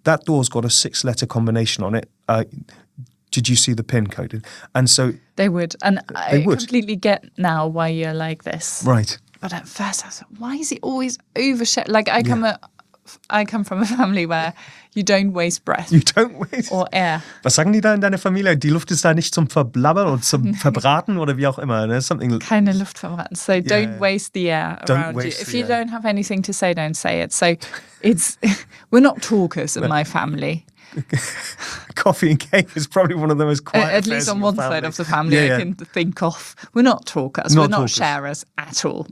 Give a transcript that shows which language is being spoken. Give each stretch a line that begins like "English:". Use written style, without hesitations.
English: That door's got a six-letter combination on it. Did you see the PIN code? And so they would. And they would. I completely get now why you're like this. Right. But at first I thought, why is he always overshare? Like, I come from a family where you don't waste breath. You don't waste. Or air.
German: Was sagen die da in deiner Familie? Die Luft ist da nicht zum Verblabbern oder zum Verbraten oder wie auch immer.
English: Something.
German: Keine Luft verbraten.
English: So yeah. Don't waste the air around don't waste you. If you air. Don't have anything to say, don't say it. So it's we're not talkers in my family. Coffee and cake is probably one of the most quiet. At least on one side of the family, yeah, yeah. I can think of. We're not talkers. Not we're talkers. Not sharers at all.